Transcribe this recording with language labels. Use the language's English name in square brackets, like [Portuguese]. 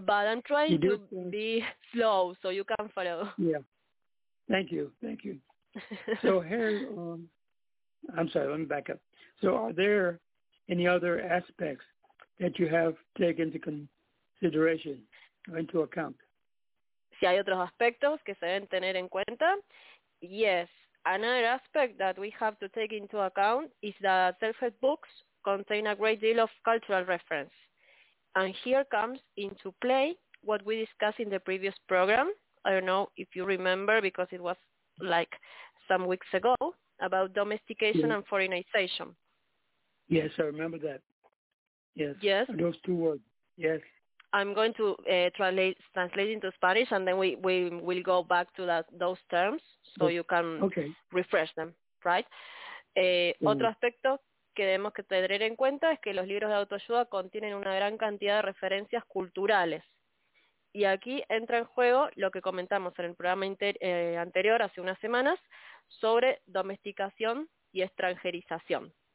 [English] But I'm trying to be slow so you can follow. Yeah. Thank you. So here, I'm sorry, let me back up. So are there any other aspects that you have taken into consideration or into account? [Spanish] Si hay otros aspectos que se deben tener en cuenta. [English] Yes, another aspect that we have to take into account is that self-help books contain a great deal of cultural reference. And here comes into play what we discussed in the previous program. I don't know if you remember, because it was like some weeks ago, about domestication and foreignization. Yes, I remember that. Yes. Those two words. Yes. I'm going to translate into Spanish, and then we will go back to that those terms, so you can refresh them, right? [Spanish] Otro aspecto que debemos que tener en cuenta es que los libros de autoayuda contienen una gran cantidad de referencias culturales. Y aquí entra en juego lo que comentamos en el programa anterior, hace unas semanas, sobre domesticación y extranjerización.